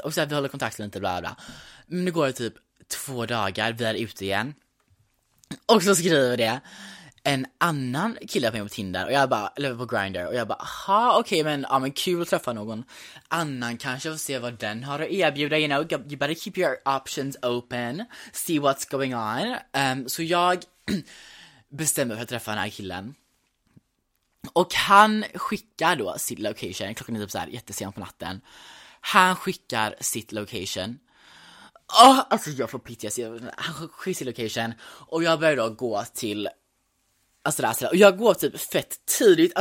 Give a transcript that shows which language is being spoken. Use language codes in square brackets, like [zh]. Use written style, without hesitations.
[sv] Och så här, vi håller kontakt lite, bla bla. Men nu går det typ 2 dagar. Vi är ute igen. Och så skriver det en annan kille på mig på Tinder. Och jag bara, eller på Grindr. Och jag bara, aha, okej, men ja, men kul att träffa någon annan kanske och se vad den har att erbjuda. [en] You know, you better keep your options open. See what's going on. [sv] Så jag bestämmer för att träffa den här killen. Och han skickar då sitt location. Klockan är typ såhär jättesen på natten. Han skickar sitt location. Åh, alltså jag får pitias. Han skickar sitt location. Och jag börjar då gå till, alltså där, så där. Och jag går typ fett tidigt.